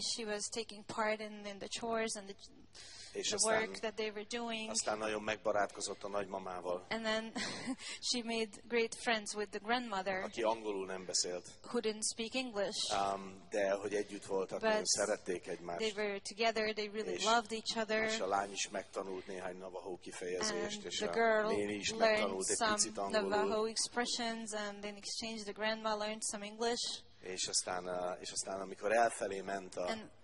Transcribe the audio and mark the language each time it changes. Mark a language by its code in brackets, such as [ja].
[en] She was taking part in the chores and the work that they were doing. [hu] Aztán nagyon megbarátkozott a nagymamával. [en] And then she made great friends with the grandmother. [hu] Aki angolul nem beszélt. [en] Who didn't speak English. [hu] De hogy együtt voltak, nagyon szerették egymást. [en] They were together, they really loved each other. [hu] És a lány is megtanult néhány Navajo kifejezést, és a [en] girl [hu] néni is megtanult egy picit angolul. [en] Navajo expressions, and in exchange the grandma learned some English. [hu] És aztán amikor elfelé ment a